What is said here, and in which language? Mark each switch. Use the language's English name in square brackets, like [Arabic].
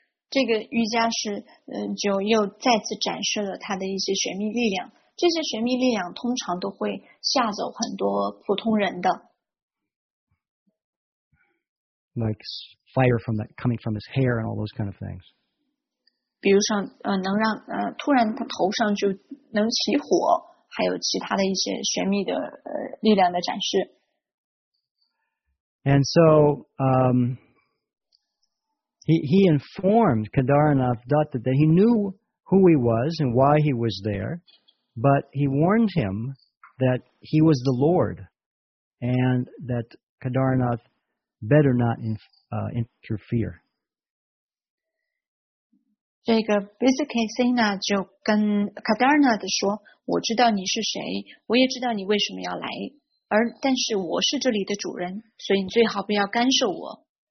[Chinese] 这个瑜伽师就又再次展示了他的一些玄秘力量。这些玄秘力量通常都会吓走很多普通人的。 [English] Like fire from that coming from his hair and all those kind of things. [Chinese] 比如像能让突然他头上就能起火，还有其他的一些玄秘的力量的展示。 [English] And so, he informed Kedarnath Dutta that he knew who he was and why he was there, but he warned him that he was the Lord, and that Kedarnath better not interfere. [Chinese] 这个 Bisik Kisena 就跟 Kedarnath 说，我知道你是谁，我也知道你为什么要来，但是我是这里的主人，所以你最好不要干涉我。